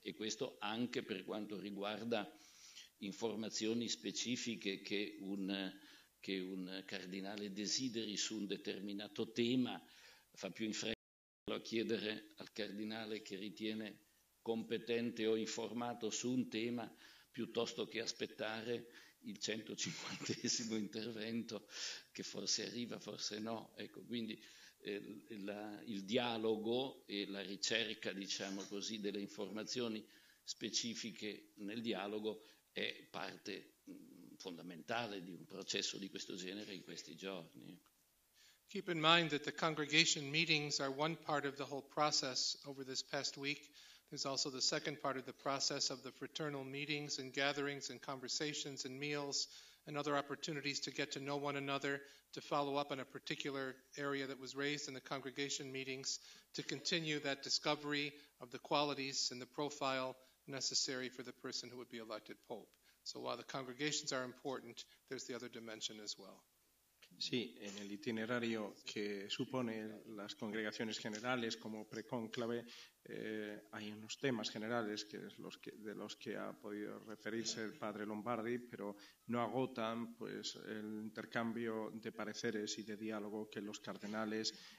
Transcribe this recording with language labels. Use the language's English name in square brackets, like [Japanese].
[Italian] E questo anche per quanto riguarda informazioni specifiche che un cardinale desideri su un determinato tema, fa più in fretta a chiedere al cardinale che ritiene competente o informato su un tema, piuttosto che aspettare il 150° intervento, che forse arriva, forse no. Ecco, quindi il dialogo e la ricerca, diciamo così, delle informazioni specifiche nel dialogo è parte fondamentale di un processo di questo genere in questi giorni. [English] Keep in mind that the congregation meetings are one part of the whole process over this past week. There's also the second part of the process of the fraternal meetings and gatherings and conversations and meals and other opportunities to get to know one another, to follow up on a particular area that was raised in the congregation meetings, to continue that discovery of the qualities and the profile necessary for the person who would be elected pope. So while the congregations are important, there's the other dimension as well. [Spanish] Sí, en el itinerario que supone las congregaciones generales como precónclave, hay unos temas generales que es los que, de los que ha podido referirse el padre Lombardi, pero no agotan pues, el intercambio de pareceres y de diálogo que los cardenales